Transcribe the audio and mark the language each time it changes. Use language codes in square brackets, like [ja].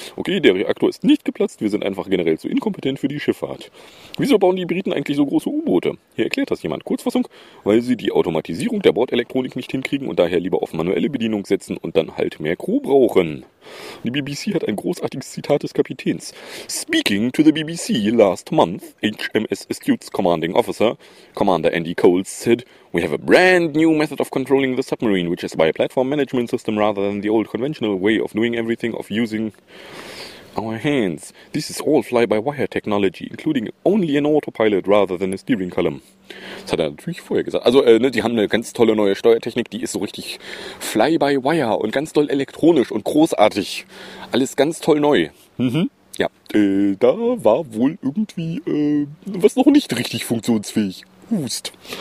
[de] Okay, der Reaktor ist nicht geplatzt. Wir sind einfach generell zu inkompetent für die Schifffahrt. Wieso bauen die Briten eigentlich so große U-Boote? Hier erklärt das jemand. Kurzfassung, weil sie die Automatisierung der Bordelektronik nicht hinkriegen und daher lieber auf manuelle Bedienung setzen und dann halt mehr Crew brauchen. Die BBC hat ein großartiges Zitat des Kapitäns. [en] Speaking to the BBC last month, HMS Astute's commanding officer, Commander Andy Coles, said, "We have a brand new method of controlling the submarine, which is by a platform management system rather than the old conventional way of doing everything of using our hands. This is all fly-by-wire technology, including only an autopilot rather than a steering column." [de] Das hat er natürlich vorher gesagt. Also, die haben eine ganz tolle neue Steuertechnik, die ist so richtig fly-by-wire und ganz toll elektronisch und großartig. Alles ganz toll neu. Ja, da war wohl irgendwie was noch nicht richtig funktionsfähig. Hust.